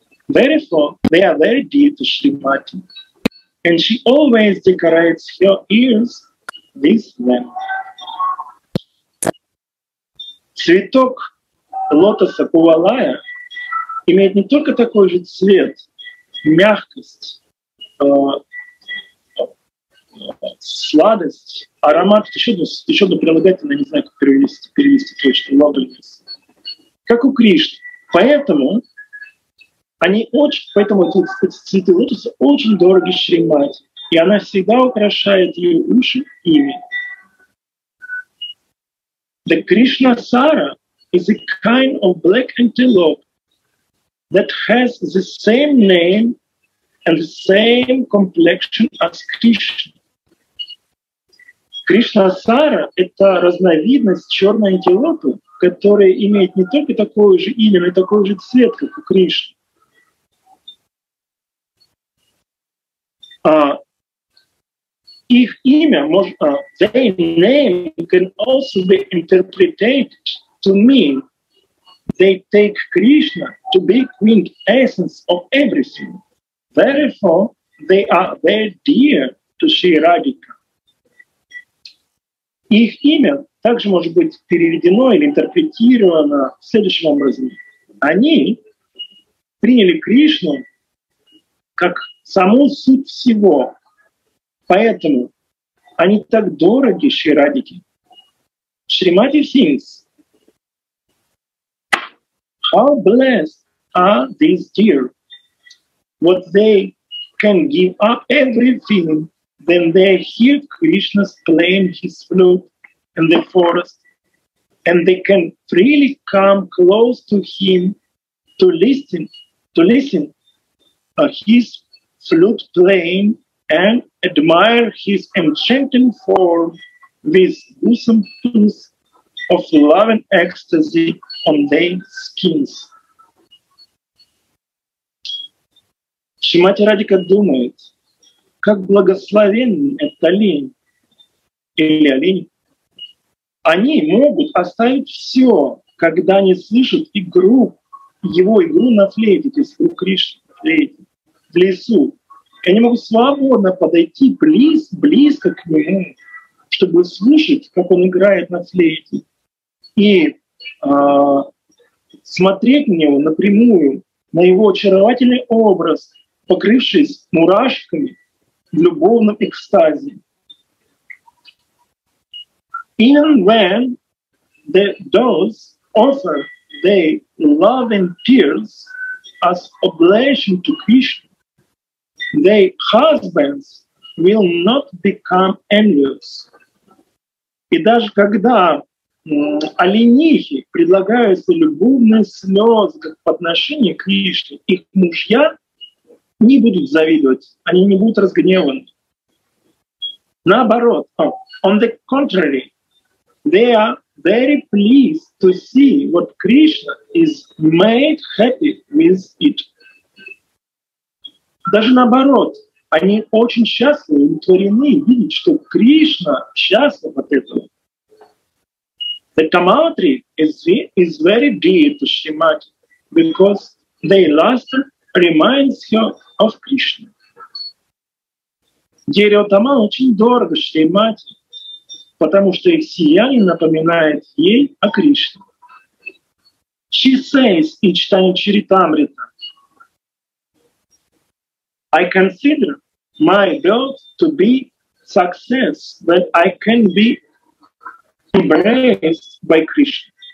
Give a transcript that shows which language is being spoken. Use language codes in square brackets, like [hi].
[en] Therefore, they are very dear to Srimati, and she always decorates her ears with them. [ru] Цветок лотоса Кувалая имеет не только такой же цвет, мягкость, сладость, аромат, еще одно прилагательное, не знаю, как перевести точно, loveliness, как у Кришны. Поэтому они очень, поэтому эти цветы лотоса очень дороги Шримати, и она всегда украшает ее уши ими. [en] The Krishna Sara is a kind of black antelope that has the same name and the same complexion as Krishna. [ru] Krishna Sara – это разновидность черной антилопы, которая имеет не только такое же имя, но и такой же цвет, как у Кришны. Их имя, [en] their name can also be interpreted to mean they take Krishna to be queen essence of everything. Therefore, they are very dear to Sri Radhika. [ru] Их имя также может быть переведено или интерпретировано следующим образом. Они приняли Кришну как саму суть всего. Поэтому они так дороги Шри Радхике. [en] Шримати thinks, how blessed are these dear, what they can give up everything when they hear Krishna's playing his flute in the forest, and they can freely come close to him to listen his flute playing and admire his enchanting form with bosom tints of love and ecstasy on their skins. [ru] Шримати Радика думает, как благословенны это олень или олень. Они могут оставить все, когда они слышат игру, его игру на флейте, то есть у Кришны на флейте, в лесу. Они могут свободно подойти близко к нему, чтобы слышать, как он играет на флейте, и смотреть на него напрямую, на его очаровательный образ, покрывшись мурашками в любовном экстазе. [en] Even when the doves offer their loving tears as oblation to Krishna, their husbands will not become envious. [ru] И даже когда оленихи предлагают свои любовные слезы как подношение к Кришне, их мужья не будут завидовать, они не будут разгневаны. Наоборот, [en] on the contrary, they are very pleased to see what Krishna is made happy with it. [ru] Даже наоборот, они очень счастливы, удовлетворены видеть, что Кришна счастлив от этого. [en] The Tamatri is very dear to Shrimati, because their luster reminds her of Krishna. [ru] Дерево Тамал очень дорого Шримати, потому что их сияние напоминает ей о Кришне. [en] She says in Чайтанья-чаритамрита, I consider my birth to be success, that I can be embraced by Krishna.